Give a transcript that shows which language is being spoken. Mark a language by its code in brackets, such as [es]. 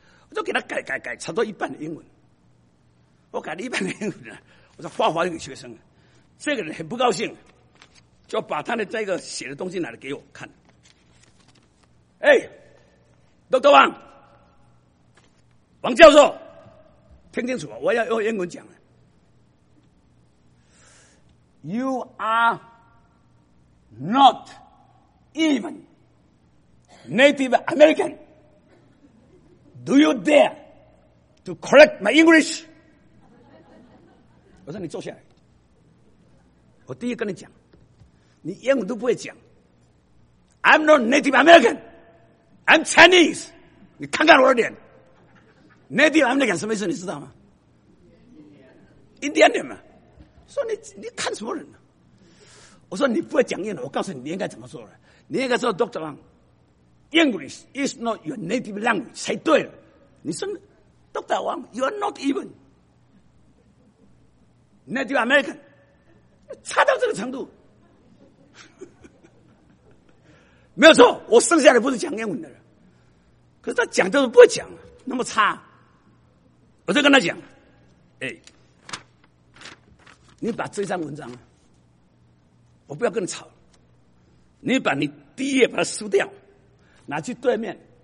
[zh] 我就给他改改改，差不多一半的英文。我改了一半的英文了，我说发还给学生了。这个人很不高兴，就把他的这个写的东西拿来给我看。哎，都德王，王教授，听清楚，我要用英文讲了。 [en] You are not even Native American. Do you dare to correct my English? [zh] 我说你坐下来。我第一跟你讲，你英文都不会讲。 [en] I'm not Native American. I'm Chinese. [zh] 你看看我的脸。 Native American 什么意思你知道吗？印第安人嘛。说你看什么人、啊、我说你不会讲英文，我告诉你你应该怎么说了。你应该说 Dr. [en] Wang, English is not your native language. [zh] 才对了。你是 Dr. [en] Wang, you are not even Native American. [zh] 差到这个程度。没有错，我剩下的不是讲英文的人。可是他讲就是不会讲，那么差。我就跟他讲，哎，你把这张文章，我不要跟你吵，你把你第一页把它撕掉，拿去对面。